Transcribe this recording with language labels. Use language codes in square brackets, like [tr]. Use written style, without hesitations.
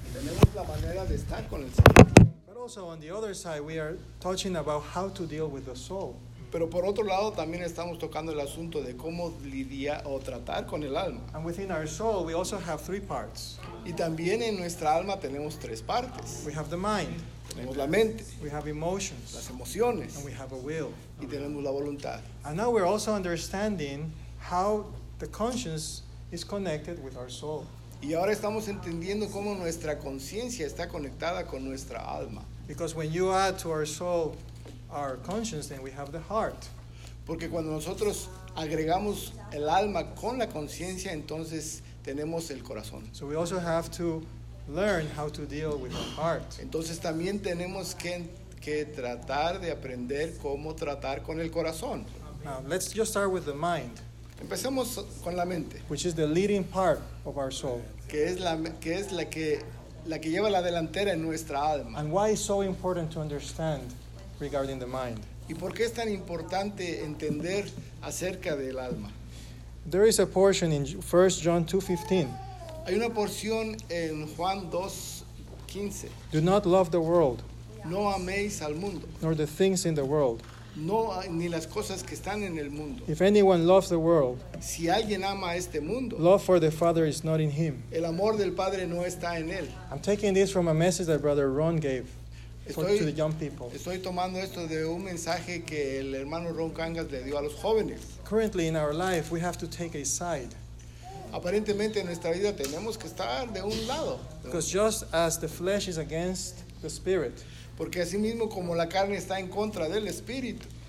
[es] Tenemos la manera de estar con el Señor. [en] But also on the other side, we are touching about how to deal with the soul. [es] Pero por otro lado también estamos tocando el asunto de cómo lidiar o tratar con el alma. [en] And within our soul, we also have three parts. [es] Y también en nuestra alma tenemos tres partes. [en] We have the mind. [es] Tenemos la mente. [en] We have emotions. [es] Las emociones. [en] And we have a will. [es] Y tenemos la voluntad. [en] And now we're also understanding how the conscience is connected with our soul. [es] Y ahora estamos entendiendo cómo nuestra conciencia está conectada con nuestra alma. [en] Because when you add to our soul our conscience, then we have the heart. [es] Porque cuando nosotros agregamos el alma con la conciencia, entonces tenemos el corazón. [en] So we also have to learn how to deal with our heart. [es] Entonces también tenemos que tratar de aprender cómo tratar con el corazón. [en] Now, let's just start with the mind. [es] Empecemos con la mente. [en] Which is the leading part of our soul. [es] Que es la que lleva la delantera en nuestra alma. [en] And why is so important to understand regarding the mind? [es] ¿Y por qué es tan importante entender acerca del alma? [en] There is a portion in 1 John 2:15. [es] Hay una porción en Juan 2:15. [en] Do not love the world. [es] No améis al mundo. [en] Nor the things in the world. [es] No, ni las cosas que están en el mundo. [en] If anyone loves the world, [es] si alguien ama este mundo, [en] love for the Father is not in him. [es] El amor del Padre no está en él. [en] I'm taking this from a message that Brother Ron gave to the young people. [es] Estoy tomando esto de un mensaje que el hermano Ron Cangas le dio a los jóvenes. [en] Currently in our life, we have to take a side. [es] Aparentemente en nuestra vida tenemos que estar de un lado. [en] Because just as the flesh is against the spirit. [es] Porque así mismo como la carne está en contra del espíritu.